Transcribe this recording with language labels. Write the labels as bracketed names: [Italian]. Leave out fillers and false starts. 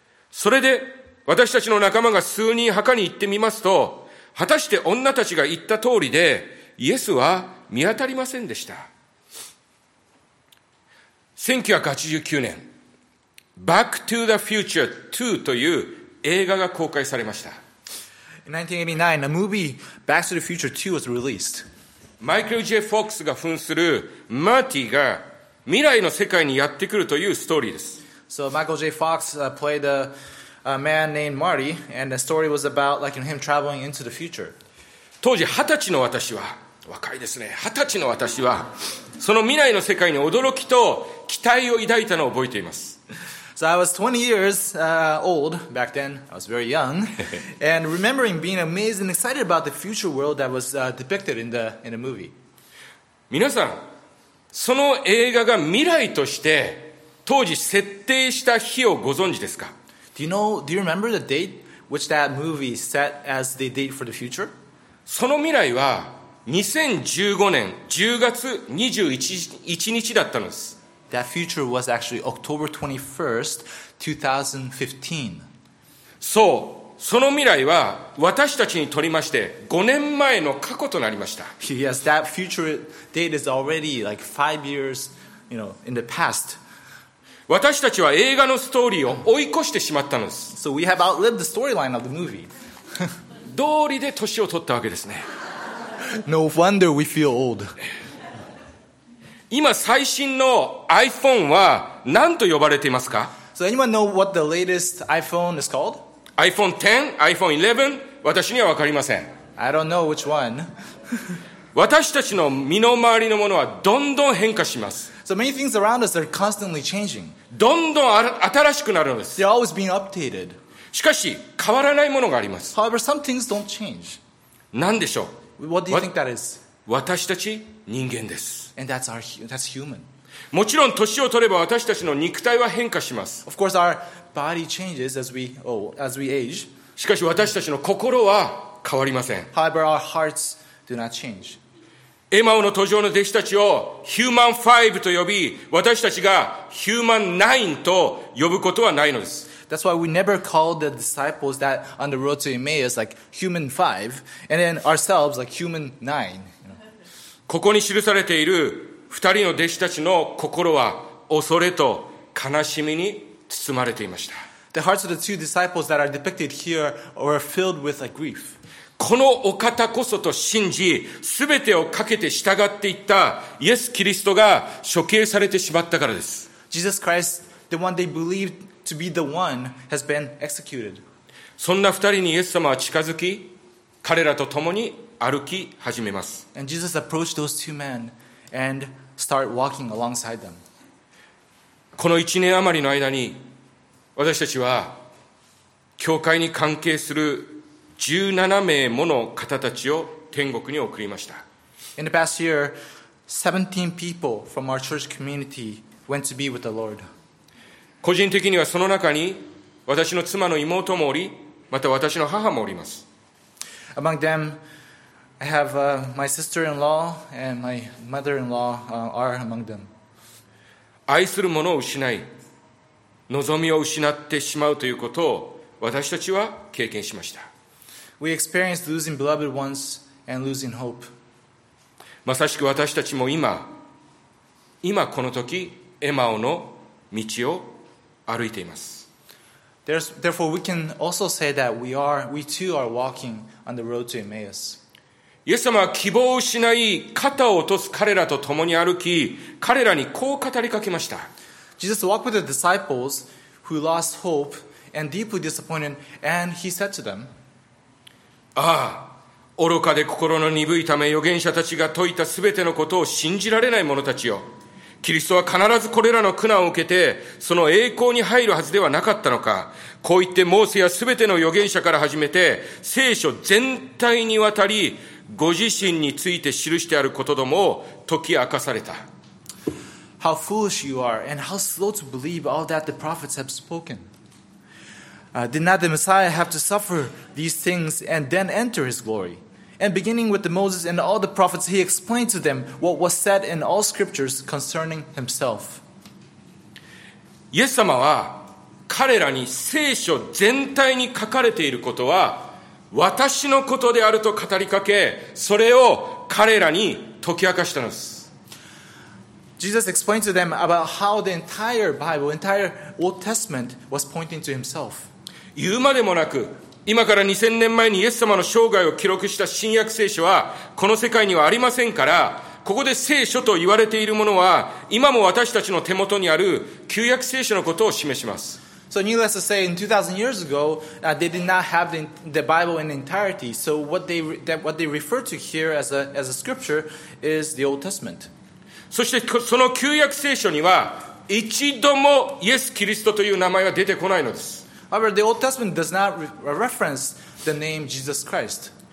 [Japanese] それで、私たちの仲間が数人墓に行ってみますと、果たして女たちが言った通りで、イエスは見当たりませんでした。 1989年、Back to the Future 2という映画が公開されました。 [English] In 1989, the movie Back to the Future 2 was released. [Japanese] Michael J. Fox が扮するマーティが未来の世界にやってくるというストーリーです。 [English] So Michael J. Fox played a man named Marty, and the story was about like him traveling into the future. [Japanese] 当時20歳の私は、若いですね、20歳の私は、その未来の世界に驚きと期待を抱いたのを覚えています。 [English] So I was 20 years old back then. I was very young. And remembering being amazed and excited about the future world that was depicted in the movie. [Japanese] 皆さん、その映画が未来として当時設定した日をご存知ですか? [English] Do you remember the date which that movie set as the date for the future? [Japanese] その未来は2015年10月21日だったのです。 [English] That future was actually October 21st, 2015. [Japanese] そう、その未来は私たちにとりまして5年前の過去となりました。 [English] Yes, that future date is already like 5 years, you know, in the past. [Japanese] 私たちは映画のストーリーを追い越してしまったのです。 [English] So we have outlived the storyline of the movie. [Japanese] 道理で年を取ったわけですね。 [English] No wonder we feel old. [Japanese] 今最新の iPhone は何と呼ばれていますか? [English] So anyone know what the latest iPhone is called? [Japanese] iPhone 10, iPhone 11? 私には分かりません。 [English] I don't know which one. [Japanese] 私たちの身の回りのものはどんどん変化します。 [English] So many things around us are constantly changing. [Japanese] どんどん新しくなるのです。 [English] They're always being updated. [Japanese] しかし、変わらないものがあります。 [English] However, some things don't change. [Japanese] 何でしょう? [English] What do you think that is? [Japanese] 私たち人間です。 [English] And that's our, that's human. [Japanese] もちろん、年を取れば私たちの肉体は変化します。 [English] Of course, our body changes as we, oh, as we age. [Japanese] しかし、私たちの心は変わりません。 [English] However, our hearts do not change. [Japanese] エマオの途上の弟子たちをヒューマン5と呼び、私たちがヒューマン9と呼ぶことはないのです。 [English] That's why we never called the disciples that on the road to Emmaus like human 5, and then ourselves like human 9. [Japanese] ここに記されている二人の弟子たちの心は恐れと悲しみに包まれていました。 [English] The hearts of the two disciples that are depicted here were filled with like grief. [Japanese] このお方こそと信じ、すべてをかけて従っていったイエス・キリストが処刑されてしまったからです。 [English] Jesus Christ, the one they believed to be the one, has been executed. [Japanese] そんな二人にイエス様は近づき、彼らと共に歩き始めます。 [English] And Jesus approached those two men and started walking alongside them. [Japanese] この一年余りの間に、私たちは、教会に関係する17名もの方たちを天国に送りました。 [English] In the past year, 17 people from our church community went to be with the Lord. [Japanese] 個人的にはその中に私の妻の妹もおり、また私の母もおります。 [English] Among them, I have my sister-in-law and my mother-in-law are among them. [Japanese] 愛するものを失い、望みを失ってしまうということを私たちは経験しました。 [English] We experienced losing beloved ones and losing hope. [Japanese] まさしく私たちも今この時エマオの道を歩いています。 [English] Therefore, we can also say that we too are walking on the road to Emmaus. [Japanese] イエス様は希望を失い肩を落とす彼らと共に歩き、彼らにこう語りかけました。 [English] Jesus walked with the disciples who lost hope and deeply disappointed, and he said to them. [Japanese] ああ、愚かで心の鈍いため、預言者たちが説いたすべてのことを信じられない者たちよ。キリストは必ずこれらの苦難を受けて、その栄光に入るはずではなかったのか。こう言ってモーセやすべての預言者から始めて、聖書全体にわたり、ご自身について記してあることどもを解き明かされた。 [English] How foolish you are, and how slow to believe all that the prophets have spoken. Did not the Messiah have to suffer these things and then enter his glory? And beginning with the Moses and all the prophets, he explained to them what was said in all scriptures concerning himself. [Japanese] イエス様は彼らに聖書全体に書かれていることは私のことであると語りかけ、それを彼らに解き明かしたのです。 [English] Jesus explained to them about how the entire Bible, entire Old Testament was pointing to himself. [Japanese] 言うまでもなく、今から2000年前にイエス様の生涯を記録した新約聖書はこの世界にはありませんから、ここで聖書と言われているものは今も私たちの手元にある旧約聖書のことを示します。 [English] So needless to say, in 2000 years ago, they did not have the Bible in entirety. So what they refer to here as a scripture is the Old Testament. [Japanese] そしてその旧約聖書には一度もイエス・キリストという名前は出てこないのです。 [English] However, the Old Testament does not reference the name Jesus Christ.